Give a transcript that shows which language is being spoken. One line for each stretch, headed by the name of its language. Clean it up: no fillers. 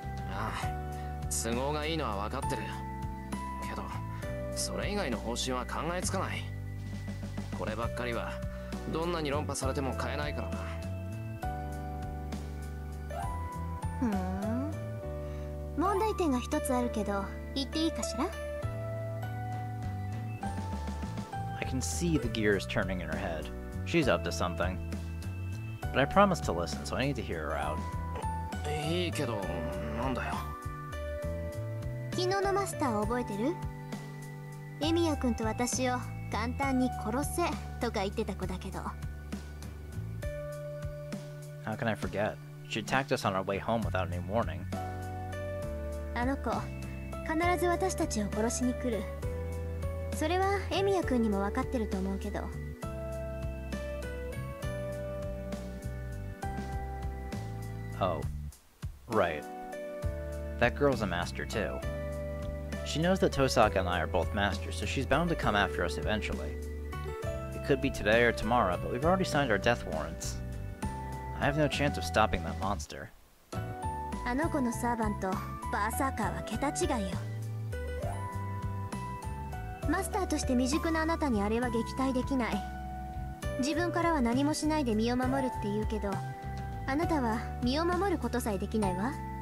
Japanese: ああ、都合がいいのは分かってる。けど、それ以外の方針は考えつかない。こればっかりは、どんなに論破されても変えないからな。問題点が一つあるけど、言っていいかしら？
English: I can see the gears turning in her head. She's up to something. But I promised to listen, so I need to hear her out.
Japanese: いいけど、なんだよ。昨日のマスターを覚えてる？エミヤ君と私を簡単に殺せとか言ってた子だけど。
English: How can I forget? She attacked us on our way home without any warning.
Japanese: あの子、必ず私たちを殺しに来る。それはエミヤ君にも分かってると思うけど。
English: Oh, right. That girl's a master too. She knows that Tosaka and I are both masters, so she's bound to come after us eventually. It could be today or tomorrow, but we've already signed our death warrants. I have no chance of stopping that monster.
Japanese: あの子のサーヴァント。バーサーカーは桁違いよ。マスターとして未熟なあなたにあれは撃退できない。自分からは何もしないで身を守るって言うけど、あなたは身を守ることさえできないわ。